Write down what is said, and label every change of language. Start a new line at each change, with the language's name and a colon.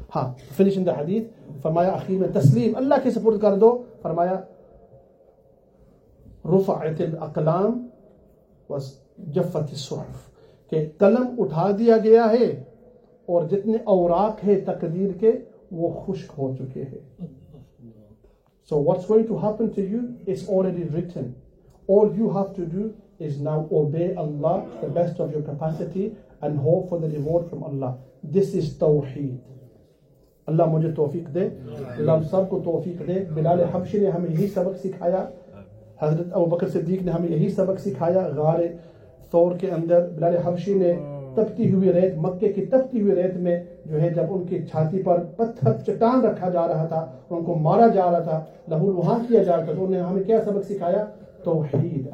Urdu: Ha,
English: finishing the hadith,
Urdu: فرمایا اخیر میں تسلیم, اللہ کے سپرد کر دو. فرمایا
Arabic: رفعت الاقلام وجفت الصحف,
Urdu: کہ قلم اٹھا دیا گیا ہے اور جتنے اوراق ہیں تقدیر کے وہ خشک ہو چکے ہیں.
English: So what's going to happen to you is already written. All you have to do is now obey Allah to the best of your capacity and hope for the reward from Allah. This is Tawheed.
Urdu: Allah مجھے توفیق دے, اللہ ہم سب کو توفیق دے. بلال حبشی نے ہمیں یہی سبق سکھایا, حضرت ابو بکر صدیق نے ہمیں یہی سبق سکھایا غار ثور کے اندر. بلال حبشی نے تپتی ہوئی ریت, مکے کی تپتی ہوئی ریت میں جو ہے جب ان کی چھاتی پر پتھر چٹان رکھا جا رہا تھا اور ان کو مارا جا رہا تھا, لہو لہان کیا جا رہا تھا, تو انہوں نے ہمیں کیا سبق سکھایا؟ توحید.